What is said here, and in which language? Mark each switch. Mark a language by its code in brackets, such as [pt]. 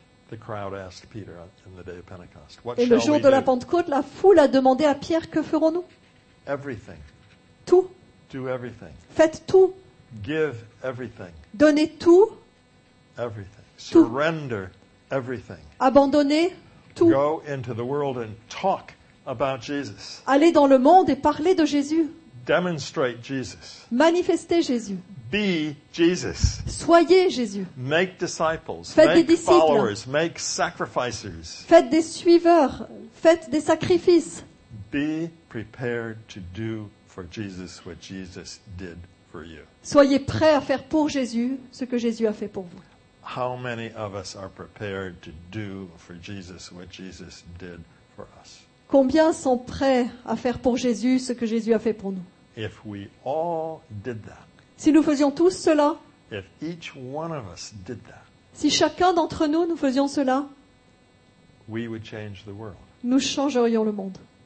[en] The crowd asked Peter on the day of Pentecost. What shall we do? [fr] Et le jour de la Pentecôte, la foule a demandé à Pierre, que ferons-nous? [en] Everything. [fr] Tout. [en] Do everything. [fr] Faites tout. [en] Give everything. [fr] Donnez tout. [en] Everything. [fr] Tout. [en] Surrender everything. [fr] Abandonnez tout. [en] Go into the world and talk about Jesus. [fr] Allez dans le monde et parlez de Jésus. [en] Demonstrate Jesus. [fr] Manifestez Jésus. [en] Be Jesus. [fr] Soyez Jésus. [en] Make disciples. [fr] Faites [en] make [fr] des disciples. [en] Followers. Make sacrificers. [fr] Faites des suiveurs. Faites des sacrifices. [en] Be prepared to do for Jesus what Jesus did for you. [fr] Soyez prêts à faire pour Jésus ce que Jésus a fait pour vous. [en] How many of us are prepared to do for Jesus what Jesus did for us? [fr] Combien sont prêts à faire pour Jésus ce que Jésus a fait pour nous? [en] If we all did that. [fr] Si nous faisions tous cela. [en] If each one of us did that. [fr] Si chacun d'entre nous nous faisions cela. [en] We would change the world. [fr] Nous changerions le monde.